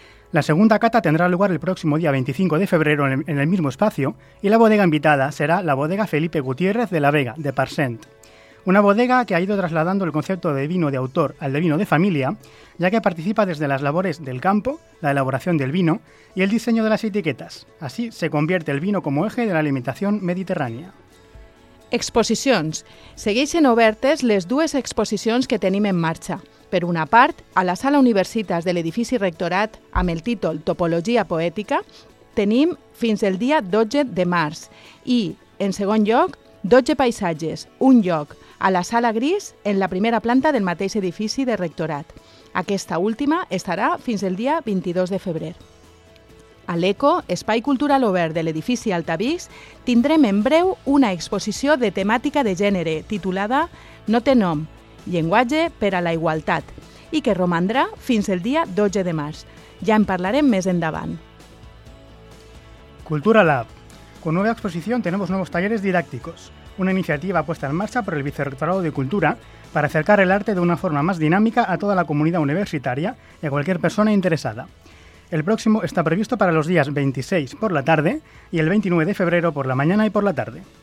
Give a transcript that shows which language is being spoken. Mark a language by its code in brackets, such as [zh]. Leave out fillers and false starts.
[es] La segunda cata tendrá lugar el próximo día 25 de febrero en el mismo espacio y la bodega invitada será la bodega Felipe Gutiérrez de la Vega, de Parsent. Una bodega que ha ido trasladando el concepto de vino de autor al de vino de familia, ya que participa desde las labores del campo, la elaboración del vino y el diseño de las etiquetas. Así se convierte el vino como eje de la alimentación mediterránea. [ca] Exposicions. Segueixen obertes les dues exposicions que tenim en marxa. Per una part, a la Sala Universitas de l'edifici rectorat, amb el títol Topologia Poètica, tenim fins el dia 12 de març i, en segon lloc, 12 paisatges, un lloc, a la Sala Gris, en la primera planta del mateix edifici de rectorat. Aquesta última estarà fins el dia 22 de febrer. A l'ECO, Espai Cultural Obert de l'edifici Altavix, tindrem en breu una exposició de temàtica de gènere titulada No té nom, llenguatge per a la igualtat, i que romandrà fins el dia 12 de març. Ja en parlarem més endavant. Cultura Lab. [es] Con nueva exposición tenemos nuevos talleres didácticos, una iniciativa puesta en marcha por el Vicerrectorado de Cultura para acercar el arte de una forma más dinámica a toda la comunidad universitaria y a cualquier persona interesada. El próximo está previsto para los días 26 por la tarde y el 29 de febrero por la mañana y por la tarde.